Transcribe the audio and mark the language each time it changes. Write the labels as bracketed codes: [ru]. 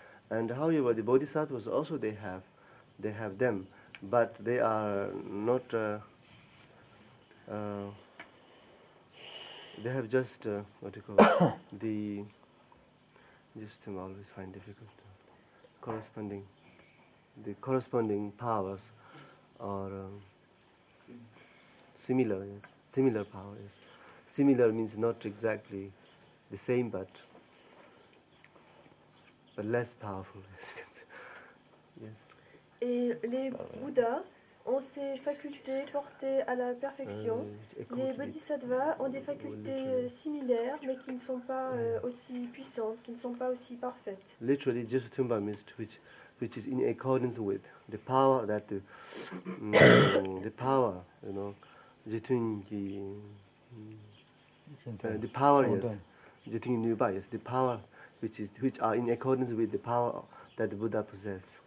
[en] And however, the Bodhisattvas also they have them, but they are not, they have just, what do you call it, the, just I always find difficult, corresponding powers are similar, yes. Similar powers. Similar means not exactly the same, but less powerful, yes. [fr] Et les Bouddhas ont ces facultés portées à la perfection. Les Bodhisattvas ont des facultés similaires, mais qui ne sont pas aussi puissantes, qui ne sont pas aussi parfaites. [en] Literally, Jyotsutumba means which is in accordance with the power that the power, you know, the power, yes, Jyotsunyuba, yes, the power which are in accordance with the power that the Buddha possesses.